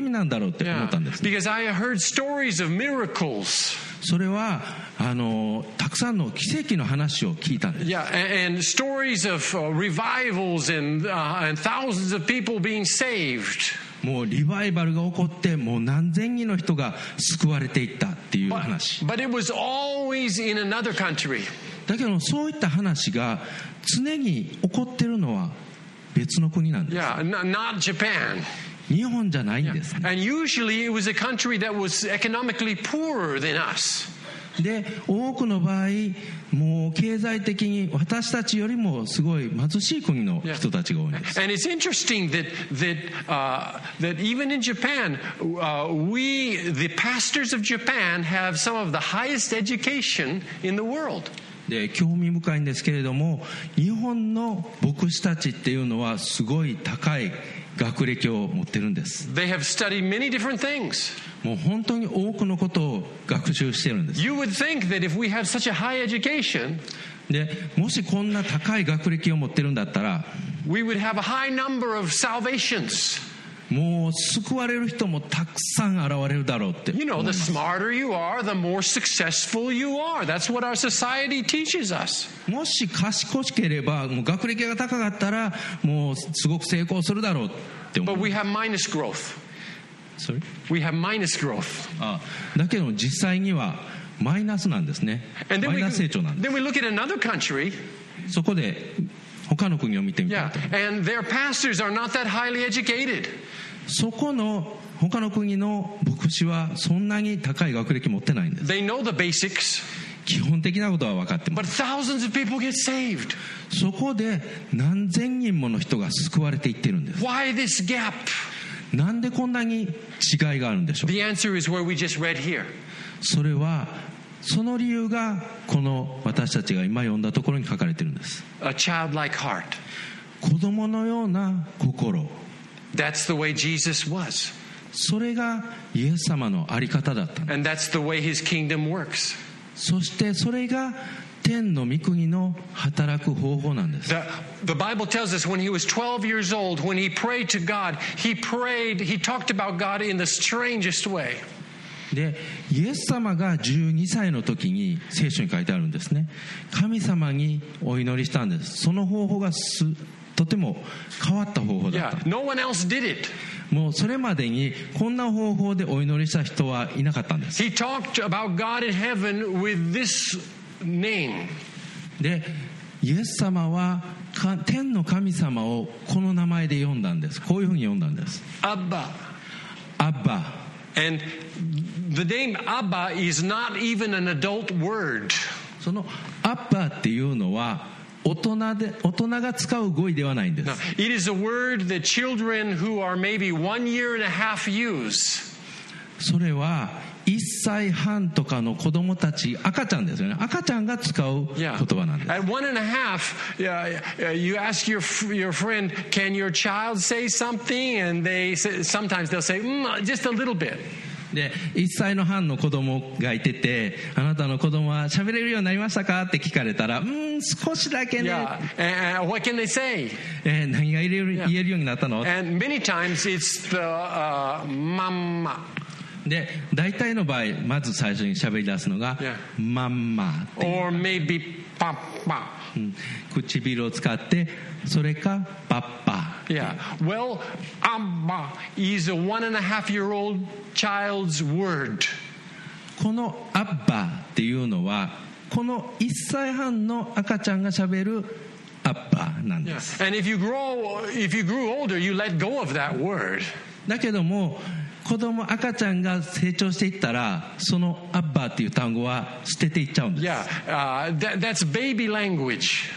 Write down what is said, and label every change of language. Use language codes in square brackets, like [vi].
[en] Because I heard stories of miracles. [ja] それはたくさんの奇跡の話を聞いたんです。 [en] Yeah, and stories of revivals and thousands of people being saved. [ja] もうリバイバルが起こってもう何千人の人が救われていったっていう話。 [en] But it was always in another country. [ja] だけどそういった話が常に起こってるのは別の国なんです。 [en] Yeah, not Japan. [ja] 日本じゃないんですね。 [en] Yeah. And usually it was a country that was economically poorer than us. [ja] で多くの場合もう経済的に私たちよりもすごい貧しい国の人たちが多いんです。 [en] Yeah. And it's interesting that even in Japan, we, the pastors of Japan, have some of the highest education in the world. [ja] で興味深いんですけれども、日本の牧師たちっていうのはすごい高い学歴を持ってるんです。 [en] They have studied many different things. [ja] もう本当に多くのことを学習してるんです。 [en] You would think that if we had such a high education, [ja] でもしこんな高い学歴を持ってるんだったら、 [en] we would have a high number of salvations. [ja] もう救われる人もたくさん現れるだろうって。 [en] You know, the smarter you are, the more successful you are. That's what our society teaches us. [ja] もし賢ければ、もう学歴が高かったら、もうすごく成功するだろうって思う。 [en] But we have minus growth. Sorry? We have minus growth. [ja] ああ、だけど実際にはマイナスなんですね。マイナス成長なんです。 [en] Then we look at another country. [ja] そこで他の国を見てみたいと。 [en] Yeah, and their pastors are not that highly educated. [ja] そこの他の国の牧師はそんなに高い学歴持ってないんです。 [en] They know the basics. [ja] 基本的なことは分かってます。 [en] But thousands of people get saved. [ja] そこで何千人もの人が救われていってるんです。 [en] Why this gap? [ja] なんでこんなに違いがあるんでしょう。 [en] The answer is where we just read here. [ja] それはその理由がこの私たちが今読んだところに書かれているんです。 [en] A childlike heart. [ja] 子供のような心。 [en] That's the way Jesus was. [ja] それがイエス様のあり方だった。 [en] And that's the way his kingdom works. [ja] そしてそれが天の御国の働く方法なんです。 [en] The Bible tells us when he was 12 years old, when he prayed to God, he talked about God in the strangest way. [ja] でイエス様が12歳の時に聖書に書いてあるんですね。神様にお祈りしたんです。その方法がとても変わった方法だった。 [en] Yeah, no one else did it. [ja] もうそれまでにこんな方法でお祈りした人はいなかったんです。 [en] He talked about God in heaven with this name. [ja] でイエス様は天の神様をこの名前で呼んだんです。こういうふうに呼んだんです。アッバ、アッバ。 [en] And the name Abba is not even an adult word. [ja] そのアッバっていうのは大人が使う語彙ではないんです。 [en] It is a word that children who are maybe one year and a half use. [ja] それは1歳半とかの子供たち、赤ちゃんですよね。赤ちゃんが使う言葉なんです。 [en] At one and a half, you ask your friend, can your child say something? And they say, sometimes they'll say, just a little bit. [ja] で、1歳の半の子供がいてて、あなたの子供は喋れるようになりましたかって聞かれたら、少しだけね。 [en] Yeah. What can they say? [ja] 何が言えるようになったの? [en] And many times it's the mama. [ja] で大体の場合まず最初に喋り出すのが、 [en] yeah. [ja] マンマ [en] or maybe パッパ、 [ja] うん、唇を使ってそれかパッパ、 [en] yeah. Well, Abba is a one and a half year old child's word. [ja] このアッバっていうのはこの1歳半の赤ちゃんが喋るアッバなんです、 [en] yeah. And if you grew older, you let go of that word. [ja] だけども子供、赤ちゃんが成長していったらそのアッバーっていう単語は捨てていっちゃうんです。 [en] Yeah, that's baby language.